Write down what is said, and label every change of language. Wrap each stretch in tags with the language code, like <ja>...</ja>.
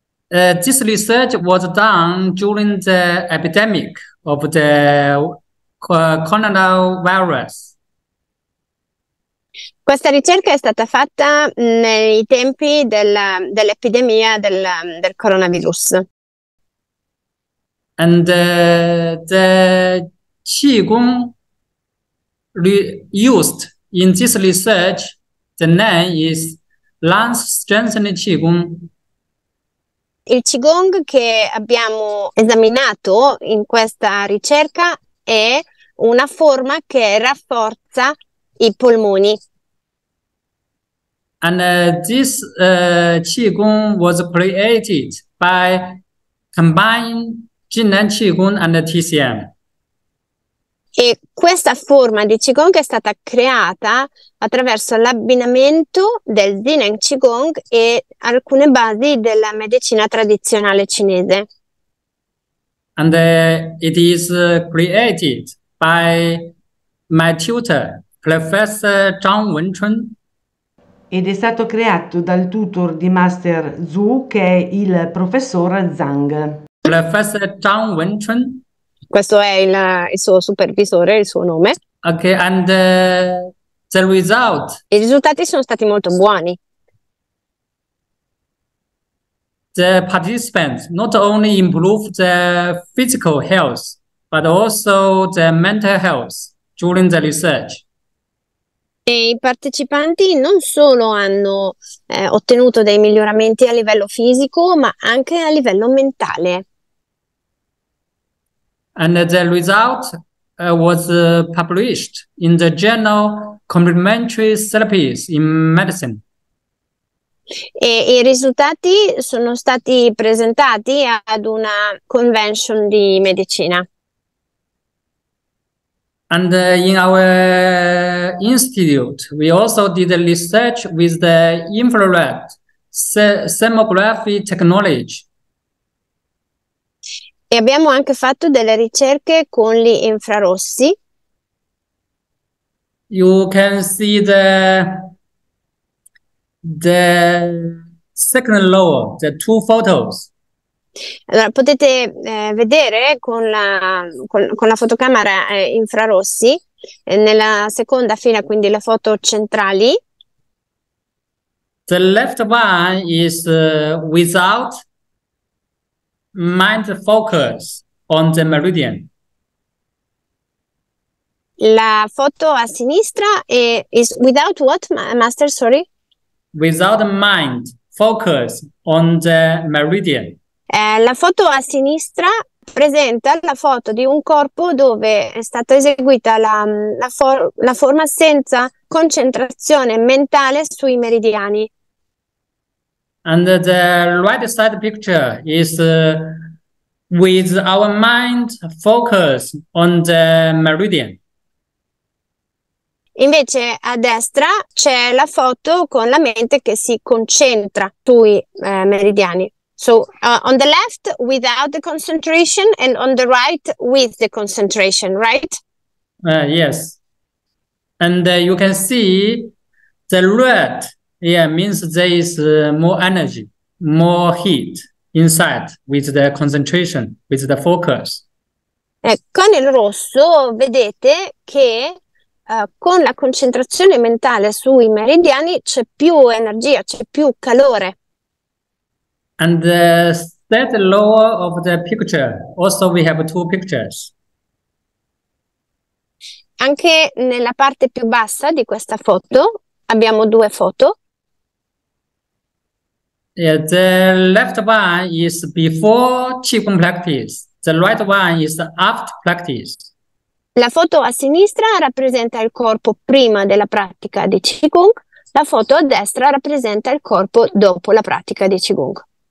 <en>This research was done during the epidemic of the coronavirus.</en> <it>Questa ricerca è stata fatta nei tempi dell'epidemia del coronavirus.</it> <en>And the Qigong used in this research, the name is Lung Strengthening Qigong.</en> <it>Il Qigong che abbiamo esaminato in questa ricerca è una forma che rafforza i polmoni.</it> <en>And this Qigong was created by combining Jinan Qigong and TCM.</en> <it>E questa forma di Qigong è stata creata attraverso l'abbinamento del Jinan Qigong e alcune basi della medicina tradizionale cinese.</it> <en>And it is created by my tutor, Professor Zhang Wenchun.</en> <it>Ed è stato creato dal tutor di Master Zhu, che è il professor Zhang.</it> <en>Professor Zhang Wenchun.</en> <it>Questo è il suo supervisore, il suo nome.</it> <en>Ok, and the result.</en> <it>I risultati sono stati molto buoni.</it> <en>The participants not only improved their physical health, but also their mental health during the research.</en> <it>E i partecipanti non solo hanno ottenuto dei miglioramenti a livello fisico, ma anche a livello mentale.</it> <en>And the result was published in the journal Complementary Therapies in Medicine.</en> <it>E i risultati sono stati presentati ad una convention di medicina.</it> <en>And in our institute, we also did a research with the infrared thermography technology.</en> <it>E abbiamo anche fatto delle ricerche con gli infrarossi.</it> <en>You can see the second law, the two photos.</en> <it>Allora, potete vedere con la fotocamera infrarossi, nella seconda fila, quindi le foto centrali.</it> <en>The left one is without mind focus on the meridian.</en> <it>La foto a sinistra</it> <en>is without what, Master? Sorry? Without mind focus on the meridian.</en> <it>La foto a sinistra presenta la foto di un corpo dove è stata eseguita la forma senza concentrazione mentale sui meridiani.</it> <en>And the right side picture is with our mind focus on the meridian.</en> <it>Invece a destra c'è la foto con la mente che si concentra sui meridiani.</it> <en>So, on the left, without the concentration, and on the right, with the concentration, right? Yes. And you can see the red, yeah, means there is more energy, more heat inside with the concentration, with the focus.</en> <it>Con il rosso vedete che con la concentrazione mentale sui meridiani c'è più energia, c'è più calore.</it> <en>And the third law of the picture, also we have two pictures.</en> <it>Anche nella parte più bassa di questa foto abbiamo due foto.</it> <en>Yeah, the left one is before qigong practice, the right one is after practice.</en> <it>La foto a sinistra rappresenta il corpo prima della pratica di qigong, la foto a destra rappresenta il corpo dopo la pratica di qigong.</it>